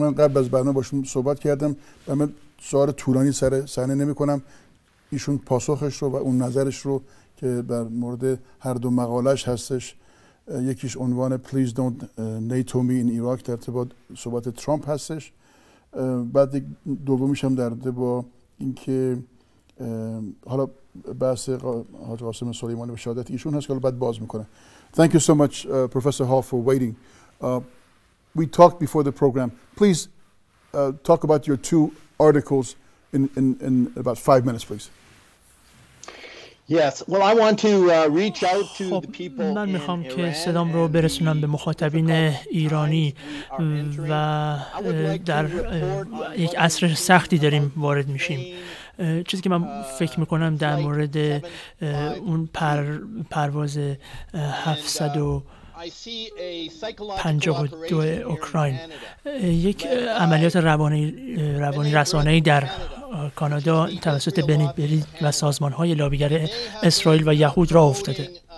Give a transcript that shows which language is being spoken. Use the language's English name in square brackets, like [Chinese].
[Persian] من قبل از برنامه باشون صحبت کردم، من سوال طولانی سر صحنه نمی کنم، ایشون پاسخش رو و اون نظرش رو که در مورد هر دو مقالهش هستش، یکیش عنوان [English] Please Don't NATO Me in Iraq [Persian] در ارتباط صحبت ترامپ هستش، بعد دومیش هم در ارتباط با اینکه حالا بحث حاج قاسم سلیمانی به شهادت ایشون هست که حالا بعد باز میکنه. [English] Thank you so much Professor Hall for waiting. We talked before the program. Please talk about your two articles in about 5 minutes, please. Yes. Well, I want to reach out to the people in Iran. [Persian] من میخوام که صدام رو برسونم به مخاطبین ایرانی، و در یک عصر سختی داریم وارد میشیم. چیزی که من فکر میکنم در مورد اون پرواز 752 اوکراین، یک عملیات روانی رسانه‌ای در کانادا توسط بنی برید و سازمان‌های لابیگر اسرائیل و یهود را افتاده.